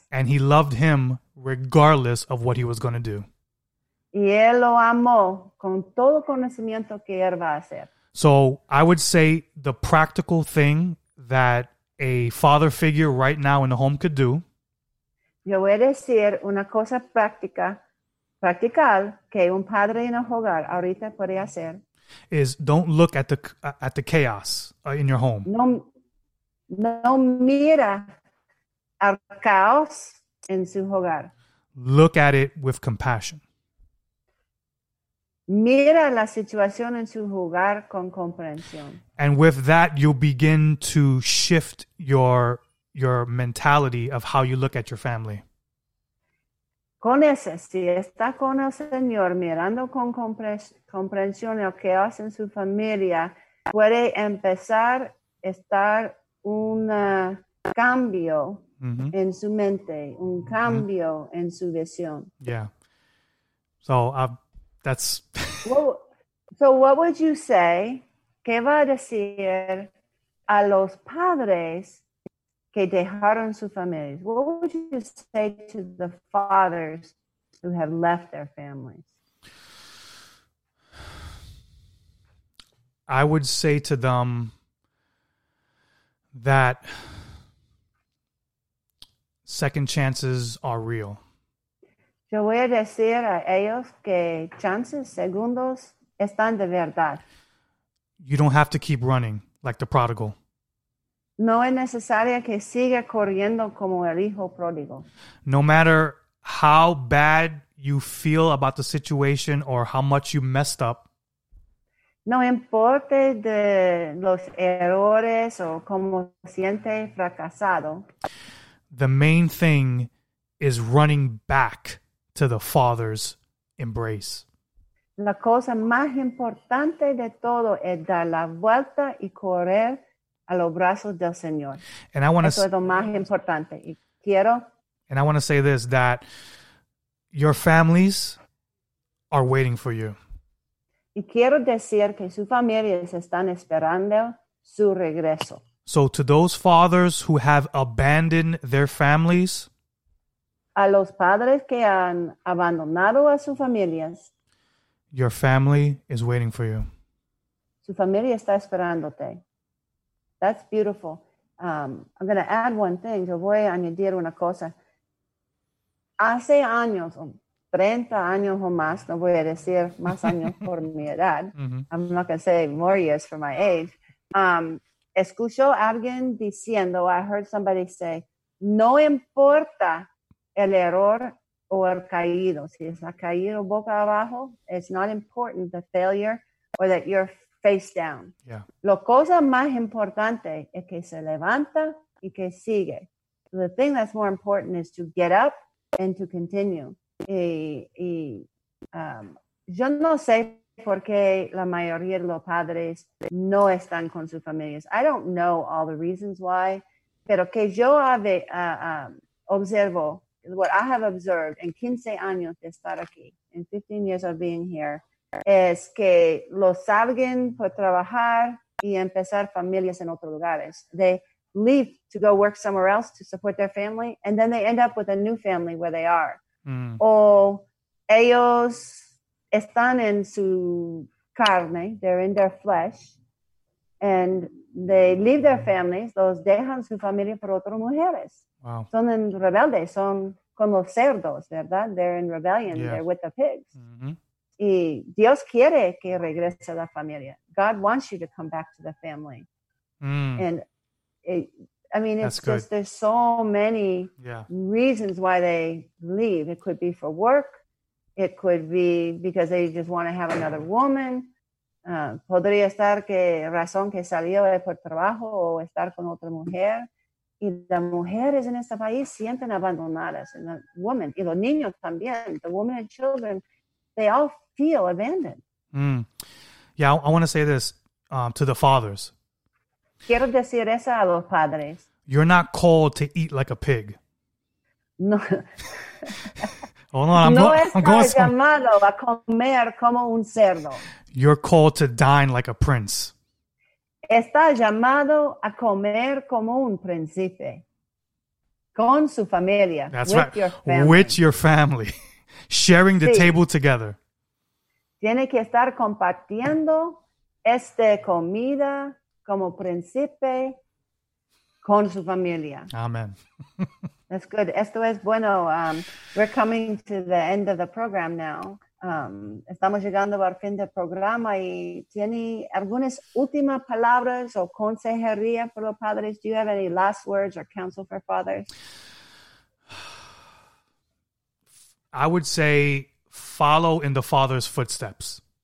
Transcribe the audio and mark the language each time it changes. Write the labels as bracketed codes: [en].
[en] And he loved him regardless of what he was going to do. [es] Y él lo amó con todo conocimiento que él va a hacer. [en] So I would say the practical thing that a father figure right now in the home could do. [es] Yo voy a decir una cosa practical que un padre en el hogar ahorita puede hacer. [en] Is don't look at the chaos in your home. [es] No mira al caos en su hogar. [en] Look at it with compassion. [es] Mira la situación en su hogar con comprensión. [en] And with that, you'll begin to shift your mentality of how you look at your family. [es] Con ese, si está con el Señor mirando con comprensión lo que hace en su familia, puede empezar a estar un cambio mm-hmm. en su mente, un cambio mm-hmm. en su visión. [en] Yeah. So that's... So what would you say, [es] qué va a decir a los padres que dejaron su familia? [en] What would you say to the fathers who have left their families? I would say to them that second chances are real. [es] Yo voy a decir a ellos que chances, segundos, están de verdad. [en] You don't have to keep running like the prodigal. [es] No es necesario que siga corriendo como el hijo pródigo. [en] No matter how bad you feel about the situation or how much you messed up. [es] No importa de los errores o cómo siente fracasado. [en] The main thing is running back to the Father's embrace. [es] La cosa más importante de todo es dar la vuelta y correr a los brazos del Señor. [en] And I want to [es] say, es lo más importante. Y quiero, [en] and I want to say this, that your families are waiting for you. [es] Y quiero decir que sus familias están esperando su regreso. [en] So to those fathers who have abandoned their families, [es] a los padres que han abandonado a sus familias. [en] Your family is waiting for you. [es] Su familia está esperándote. [en] That's beautiful. I'm going to add one thing. [es] Yo voy a añadir una cosa. Hace años, 30 años o más, no voy a decir más años por mi edad. Mm-hmm. [en] I'm not going to say more years for my age. [es] Escucho a alguien diciendo, [en] I heard somebody say, [es] no importa el error o el caído. Si es la caído boca abajo, [en] it's not important the failure or that you're face down. Yeah. [es] Lo cosa más importante es que se levanta y que sigue. [en] The thing that's more important is to get up and to continue. [es] Y yo no sé por qué la mayoría de los padres no están con sus familias. [en] I don't know all the reasons why, [es] pero que yo observo [en] what I have observed in [es] 15 años de estar aquí, [en] in 15 years of being here, [es] es que lo salgan por trabajar y empezar familias en otros lugares. [en] They leave to go work somewhere else to support their family, and then they end up with a new family where they are. Mm. [es] O ellos están en su carne, [en] they're in their flesh, and they leave their families, [es] los dejan su familia por otras mujeres. [en] Wow. [es] Son en rebelde, son con los cerdos, ¿verdad? [en] They're in rebellion, yeah. They're with the pigs. Mm-hmm. [es] Y Dios quiere que regrese a la familia. [en] God wants you to come back to the family. Mm. And it's good. Just there's so many reasons why they leave. It could be for work. It could be because they just want to have another woman. [es] Podría estar que razón que salió es por trabajo o estar con otra mujer. Y las mujeres en este país sienten abandonadas. [en] And the woman, [es] y los niños también, [en] the women and children, they all feel abandoned. Mm. Yeah, I want to say this to the fathers. [es] Quiero decir eso a los padres. [en] You're not called to eat like a pig. No. Hold on, [es] llamado a comer como un cerdo. [en] You're called to dine like a prince. [es] Está llamado a comer como un príncipe. Con su familia. [en] That's with Your family. With your family. Sharing the table together. [es] Tiene que estar compartiendo esta comida como príncipe con su familia. [en] Amen. That's good. [es] Esto es bueno. [en] We're coming to the end of the program now. [es] Estamos llegando al fin del programa y ¿tiene algunas últimas palabras o consejería para los padres? [en] Do you have any last words or counsel for fathers? I would say follow in the father's footsteps.